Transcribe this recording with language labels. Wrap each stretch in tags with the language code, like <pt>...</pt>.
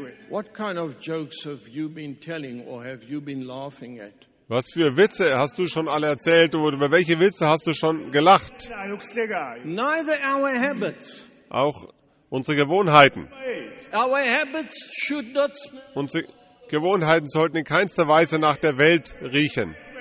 <en>What kind of jokes have you been telling or have you been laughing at?</en> <de>Was für Witze hast du schon alle erzählt oder über welche Witze hast du schon gelacht?</de> <en>Neither our habits.</en> <de>Auch unsere Gewohnheiten.</de> <en>Our habits should not smell.</en> <de>Gewohnheiten sollten in keinster Weise nach der Welt riechen.</de>